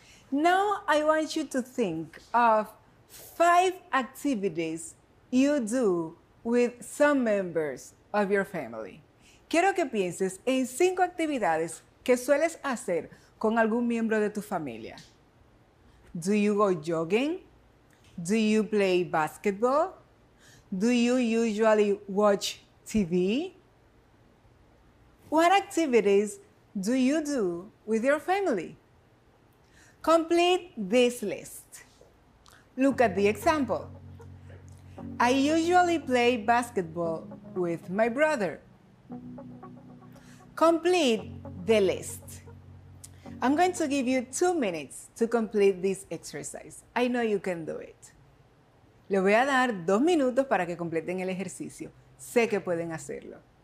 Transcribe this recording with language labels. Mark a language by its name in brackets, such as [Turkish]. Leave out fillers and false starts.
[English] Now I want you to think of five activities you do with some members of your family. [Spanish] Quiero que pienses en cinco actividades que sueles hacer con algún miembro de tu familia. [English] Do you go jogging? Do you play basketball? Do you usually watch TV? What activities do you do with your family? Complete this list. Look at the example. I usually play basketball with my brother. Complete the list. I'm going to give you 2 minutes to complete this exercise. I know you can do it. [Spanish] Le voy a dar 2 minutos para que completen el ejercicio. Sé que pueden hacerlo.